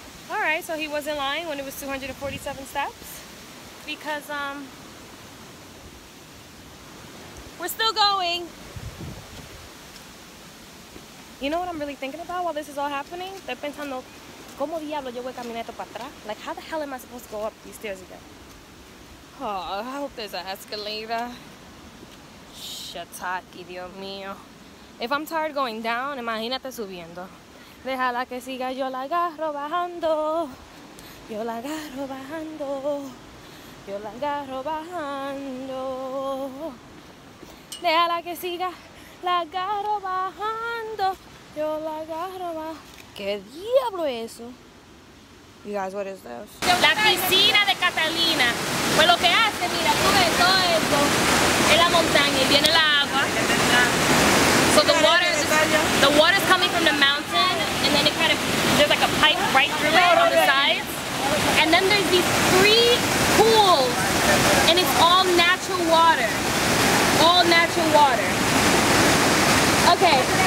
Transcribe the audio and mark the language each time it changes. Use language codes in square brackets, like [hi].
[en] Alright, so he wasn't lying when it was 247 steps, because we're still going. You know what I'm really thinking about while this is all happening? [es] Estoy pensando, ¿cómo diablo yo voy a caminar para atrás? [en] Like, how the hell am I supposed to go up these stairs again? Oh, I hope there's an escalator. Shiitake, [es] Dios mío. [en] If I'm tired going down, [es] imagínate subiendo. Déjala que siga, yo la agarro bajando. Yo la agarro bajando. Yo la agarro bajando. Déjala que siga, la agarro bajando. Yo la agarro bajando. ¿Qué diablo es eso? [en] You guys, what is this? [es] La piscina de Catalina. Pues lo que hace, mira, tú ves todo esto. Es la montaña y viene el agua. [en] So the water is coming from the mountain, and then it kind of, there's like a pipe right through it on the sides. And then there's these three pools, and it's all natural water. All natural water. Okay.